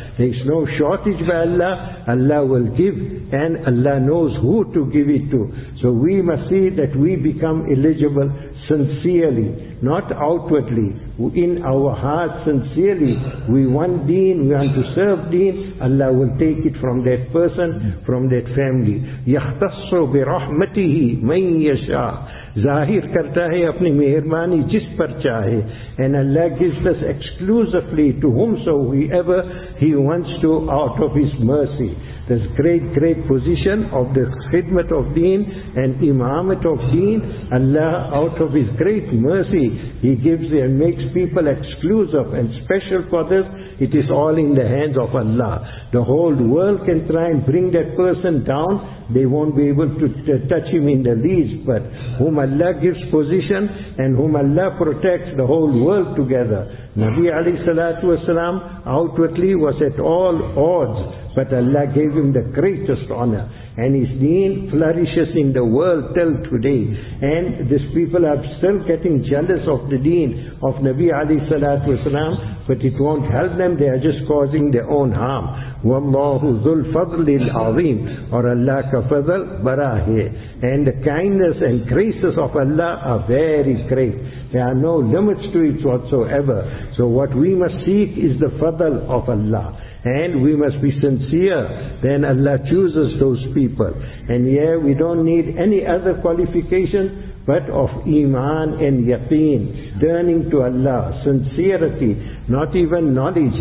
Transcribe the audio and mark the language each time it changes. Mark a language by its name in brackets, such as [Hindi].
[English] There is no shortage by Allah. Allah will give, and Allah knows who to give it to. So we must see that we become eligible sincerely, not outwardly. In our heart, sincerely, we want Deen, we want to serve Deen. Allah will take it from that person, from that family. [Arabic] يَخْتَصُّ بِرَحْمَتِهِ مَنْ يَشَاءَ [Urdu] ظاہر کرتا ہے اپنی مہربانی جس پر چاہے. [English] And Allah gives us exclusively to whomsoever He wants to out of His mercy. This great, great position of the khidmat of Deen and imamat of Deen, Allah out of His great mercy, He gives and makes people exclusive and special for this. It is all in the hands of Allah. The whole world can try and bring that person down. They won't be able to touch him in the least. But whom Allah gives position and whom Allah protects, the whole world together. Nabi Ali Salatu Wasalam outwardly was at all odds. But Allah gave him the greatest honor. And his deen flourishes in the world till today. And these people are still getting jealous of the deen of Nabi Ali Salatu Wasalam. But it won't help them. They are just causing their own harm. [Arabic] وَاللَّهُ ذُو الْفَضْلِ الْعَظِيمِ [Urdu] اور اللہ کا فضل برا ہے. [English] And the kindness and graces of Allah are very great. There are no limits to it whatsoever. So what we must seek is the fadl of Allah. And we must be sincere. Then Allah chooses those people. And yeah, we don't need any other qualification but of iman and yaqeen, turning to Allah, sincerity, not even knowledge.